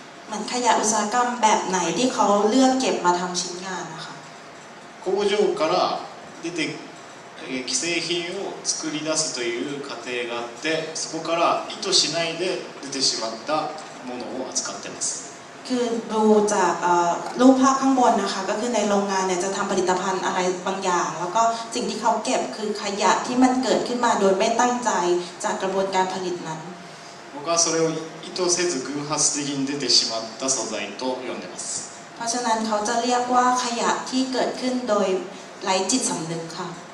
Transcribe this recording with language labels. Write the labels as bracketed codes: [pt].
[th] มันขยะอุตสาหกรรมแบบไหนที่เขาเลือกเก็บมาทำชิ้นงานนะคะ [ja] 工場から出て既製品を作り出すという過程があってそこから意図しないで出てしまったものを扱ってます [th] คือดูจากรูปภาพข้างบนนะคะก็คือในโรงงานเนี่ยจะทำผลิตภัณฑ์อะไรบางอย่างแล้วก็สิ่งที่เขาเก็บคือขยะที่มันเกิดขึ้นมาโดยไม่ตั้งใจจากกระบวนการผลิตนั้น ผมก็ [ja] それを意図せず偶発的に出てしまった素材と呼んでます [th] เพราะฉะนั้นเขาจะเรียกว่าขยะที่เกิดขึ้นโดยไร้จิตสำนึกค่ะ